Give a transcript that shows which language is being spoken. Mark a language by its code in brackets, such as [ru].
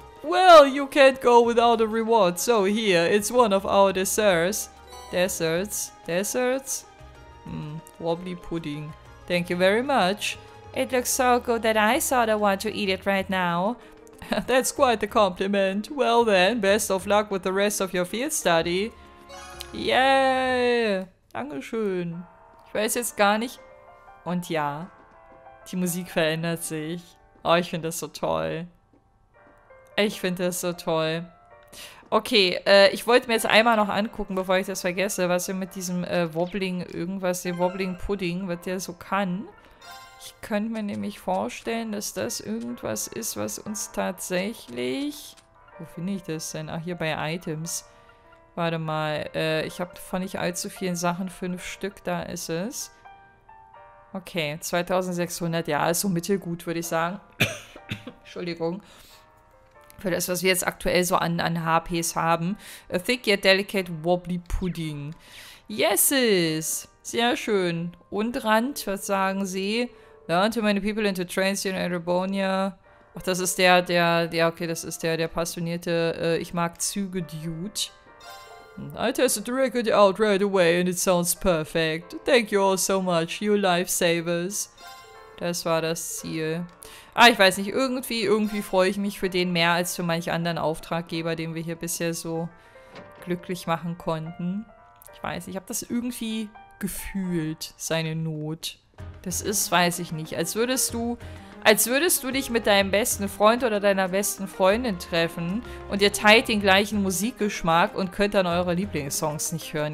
[en] Well, you can't go without a reward, so here, it's one of our desserts. Desserts? Wobbly pudding. Thank you very much. It looks so good that I sort of want to eat it right now. That's quite the compliment. Well then, best of luck with the rest of your field study. [de] Yay! Dankeschön. Ich weiß jetzt gar nicht. Und ja, Die Musik verändert sich. Oh, ich finde das so toll. Ich finde das so toll. Okay, ich wollte mir jetzt einmal noch angucken, bevor ich das vergesse, was er mit diesem Wobbling irgendwas, dem Wobbling Pudding, was der so kann. Ich könnte mir nämlich vorstellen, dass das irgendwas ist, was uns tatsächlich... Wo finde ich das denn? Ach, hier bei Items. Warte mal, ich habe von nicht allzu vielen Sachen 5 Stück, da ist es. Okay, 2600, ja, ist so mittelgut, würde ich sagen. Entschuldigung. Für das, was wir jetzt aktuell so an HPs haben. [en] A thick yet delicate wobbly pudding. Yeses! [de] Sehr schön. Und Rand, was sagen sie? [en] Learn to many people into Transion and Rebonia. [de] Ach, das ist der passionierte, ich mag Züge, Dude. [en] I tested the record out right away and it sounds perfect. Thank you all so much, you lifesavers. [de] Das war das Ziel. Ah, ich weiß nicht, irgendwie freue ich mich für den mehr als für manch anderen Auftraggeber, den wir hier bisher so glücklich machen konnten. Ich weiß nicht, ich habe das irgendwie gefühlt, seine Not. Das ist, weiß ich nicht, als würdest du dich mit deinem besten Freund oder deiner besten Freundin treffen und ihr teilt den gleichen Musikgeschmack und könnt dann eure Lieblingssongs nicht hören.